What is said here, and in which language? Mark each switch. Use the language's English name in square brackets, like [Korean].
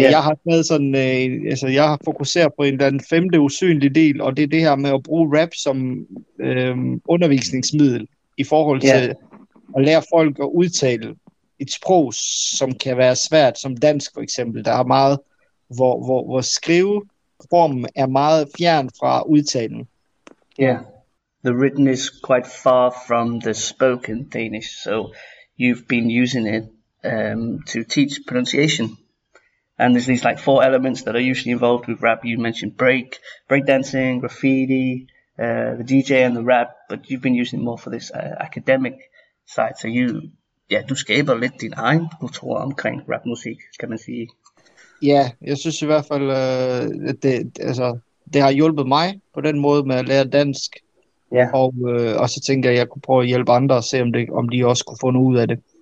[Danish] Jeg har taget sådan, altså jeg har fokuseret på en eller anden femte usynlig del, og det er det her med at bruge rap som undervisningsmiddel i forhold til yeah. at lære folk at udtale et sprog, som kan være svært, som dansk for eksempel, der er meget, hvor skriveformen er meget fjern fra udtalen. [English] Yeah, the written is quite far from the spoken Danish, so you've been using it to teach pronunciation. And there's these like four elements that are usually involved with rap. You mentioned breakdancing, graffiti, the DJ and the rap, but you've been using more for this academic side. So you, yeah, [Danish] du skaber lidt din egen kultur omkring rapmusik, kan man sige. Ja, jeg synes i hvert fald, at det har hjulpet mig på den måde med at lære dansk. Ja. Og så tænker jeg, at jeg kunne prøve at hjælpe andre og se, om de også kunne få noget ud af det.